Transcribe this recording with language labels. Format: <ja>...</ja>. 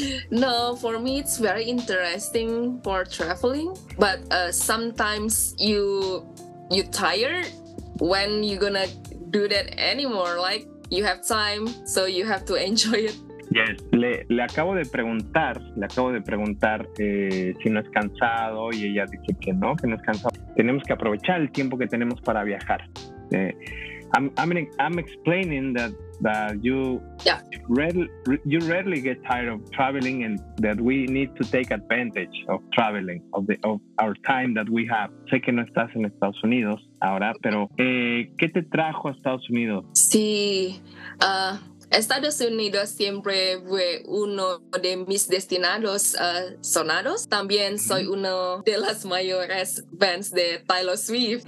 <en>No, for me it's very interesting for traveling, but sometimes you tired when you're gonna do that anymore. Like you have time, so you have to enjoy it.</en> <es>Yes, le acabo de preguntar si no es cansado y ella dice que no es cansado. Tenemos que aprovechar el tiempo que tenemos para viajar.</es> <en>I'm explaining that you rarely get tired of traveling and that we need to take advantage of traveling, of our time that we have.</en> <es>Sé que no estás en Estados Unidos ahora, pero ¿qué te trajo a Estados Unidos? Sí, Estados Unidos siempre fue uno de mis destinados sonados. También soy uno de las mayores fans de Taylor Swift.</es>